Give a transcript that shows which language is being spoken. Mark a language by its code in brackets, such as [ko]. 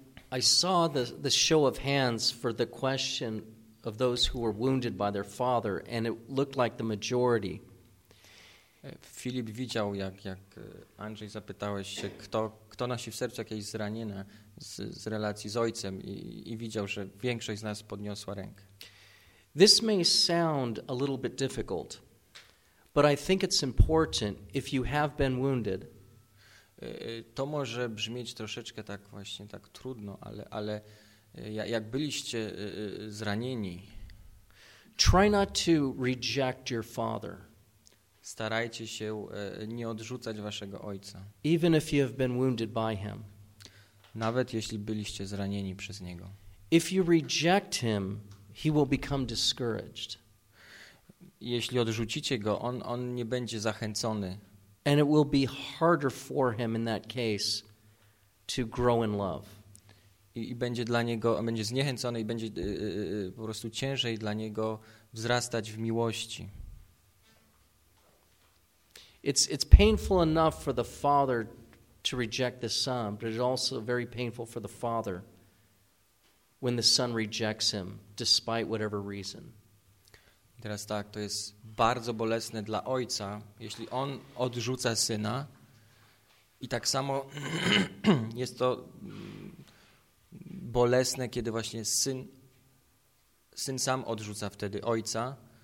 [en] I saw the show of hands for the question of those who were wounded by their father, and it looked like the majority. [pl] Filip widział, jak Andrzej zapytałeś się, kto nosi w sercu jakieś zranienie z relacji z ojcem, i widział, że większość z nas podniosła rękę. [en] This may sound a little bit difficult, but I think it's important if you have been wounded. [pl] To może brzmieć troszeczkę tak właśnie tak trudno, ale jak byliście zranieni. [en] Try not to reject your father. [pl] Starajcie się nie odrzucać waszego ojca. [en] Even if you have been wounded by him. [pl] Nawet jeśli byliście zranieni przez niego. [en] If you reject him, he will become discouraged. [pl] Jeśli odrzucicie go, on nie będzie zachęcony. [en] And it will be harder for him in that case to grow in love. [pl] I będzie dla niego, on będzie zniechęcony i będzie po prostu ciężej dla niego wzrastać w miłości. [en] It's painful enough for the father to reject the son, but it's also very painful for the father when the son rejects him, despite whatever reason. [pl] Teraz tak, to jest bardzo bolesne dla ojca, jeśli on odrzuca syna, i tak samo jest to bolesne, kiedy właśnie syn sam odrzuca wtedy ojca.